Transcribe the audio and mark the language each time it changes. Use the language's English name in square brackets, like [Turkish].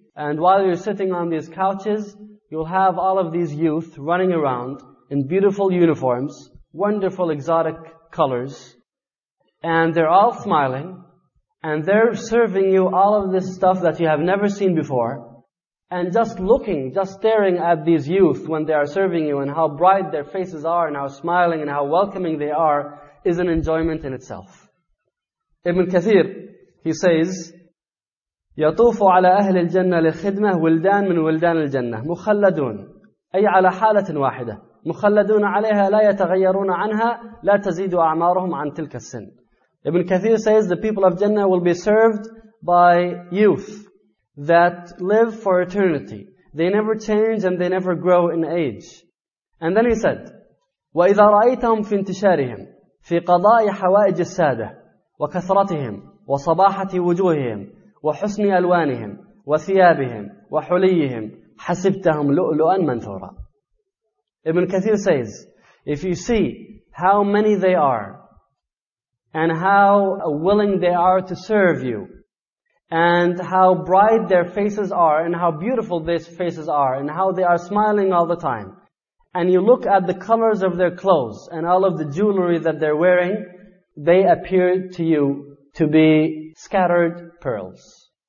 [English] And while you're sitting on these couches, you'll have all of these youth running around in beautiful uniforms, wonderful exotic colors, and they're all smiling, and they're serving you all of this stuff that you have never seen before, and just looking, just staring at these youth when they are serving you, and how bright their faces are, and how smiling, and how welcoming they are, is an enjoyment in itself. [Arabic] Ibn Kathir, [English] he says, [Arabic] يطوف على أهل الجنة لخدمة ولدان من ولدان الجنة مخلدون أي على حالة واحدة مخلدون عليها لا يتغيرون عنها لا تزيد أعمارهم عن تلك السن. [English] Ibn Kathir says the people of Jannah will be served by youth that live for eternity. They never change and they never grow in age. And then he said, [Arabic] وإذا رأيتهم في انتشارهم في قضاء حوائج السادة وكثرتهم وصباحة وجوههم وحسن ألوانهم وثيابهم وحليهم حسبتهم لؤلؤا منثورا. [English] Ibn Kathir says, if you see how many they are and how willing they are to serve you and how bright their faces are and how beautiful these faces are and how they are smiling all the time, and you look at the colors of their clothes and all of the jewelry that they're wearing, they appear to you to be scattered pearls.